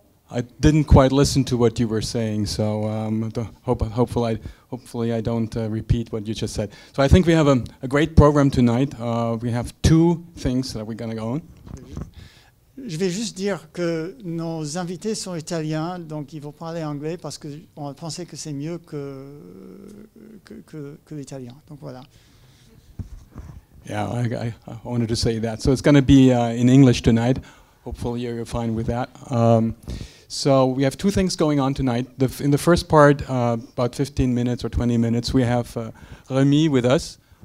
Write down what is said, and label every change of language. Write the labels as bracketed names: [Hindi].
[English] I didn't quite listen to what you were saying, so hopefully I don't repeat what you just said. So I think we have a great program tonight. We have two things that we're going to go on. [French] Je vais juste dire que nos invités sont italiens, donc ils vont parler anglais parce qu'on pensait que c'est mieux que l'italien. Donc voilà. [English] Yeah, I wanted to say that. So it's going to be in English tonight. Hopefully you're fine with that. So we have two things going on tonight. In the first part, about 15 minutes or 20 minutes, we have Rémi with us.